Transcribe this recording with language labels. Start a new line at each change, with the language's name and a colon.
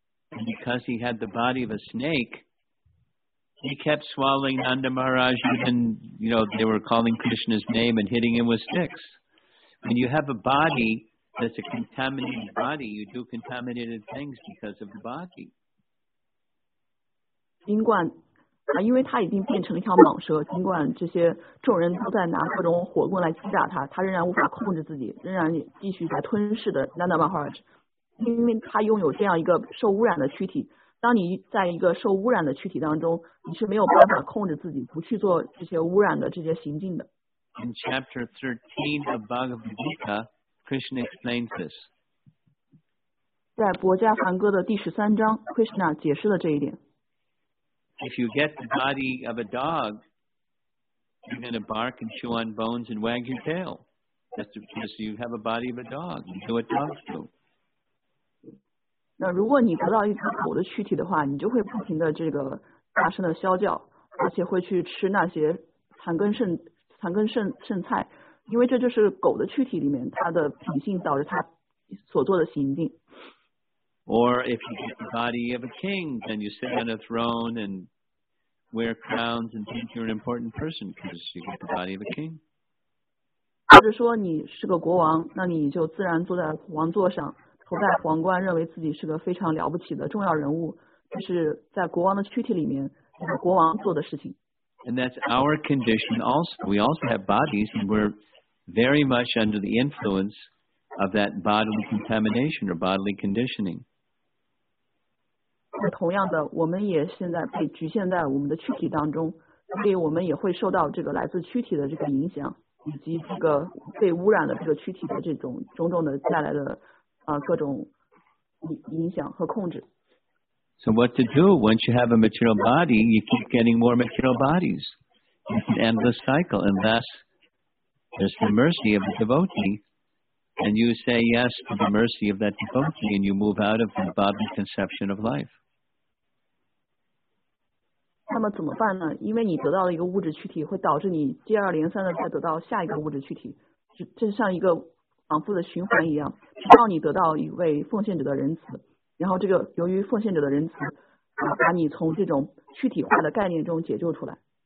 English: Because he had the body of a snake, he kept swallowing Nanda Maharaj, and you know they were calling Krishna's name and hitting him with sticks. When you have a body that's a contaminated body, you do contaminated things because of the body.
Chinese: 尽管因为他已经变成了一条蟒蛇，尽管这些众人都在拿各种火棍来击打他，他仍然无法控制自己，仍然继续在吞噬的 Nanda Maharaj。因为他拥有这样一个受污染的躯体，当你在一个受污染的躯体当中，你是没有办法控制自己不去做这些污染的这些行径的。
English: In chapter 13 of Bhagavad Gita, Krishna explains this.
Chinese: 在《薄伽梵歌》的第十三章 ，Krishna 解释了这一点。
English: If you get the body of a dog, you're going to bark and chew on bones and wag your tail. That's because you have a body of a dog. You do what dogs do.
Chinese: 那如果你得到一条狗的躯体的话，你就会不停的这个大声的啸叫，而且会去吃那些残根剩菜，因为这就是狗的躯体里面它的品性导致它所做的行径。
English: Or if you get the body of a king, then you sit on a throne and wear crowns and think you're an important person because you get the body of a king.
Chinese: 或者说你是个国王，那你就自然坐在王座上，头戴皇冠，认为自己是个非常了不起的重要人物，这是在国王的躯体里面，国王做的事情。
English: And that's our condition also. We also have bodies and we're very much under the influence of that bodily contamination or bodily conditioning.
Chinese: 那同样的，我们也现在被局限在我们的躯体当中，所以我们也会受到这个来自躯体的这个影响，以及这个被污染的这个躯体的这种种种的带来的各种影响和控制。
English: So what to do once you have a material body? You keep getting more material bodies. It's an endless cycle, and thus there's the mercy of the devotee. And you say yes to the mercy of that devotee, and you move out of the bodily conception of life.
Chinese: 那么怎么办呢？因为你得到了一个物质躯体，会导致你接二连三的再得到下一个物质躯体，就像一个往复的循环一样，直到你得到一位奉献者的仁慈。然后这个由于奉献者的仁慈把你从这种躯体化的概念中解救出来。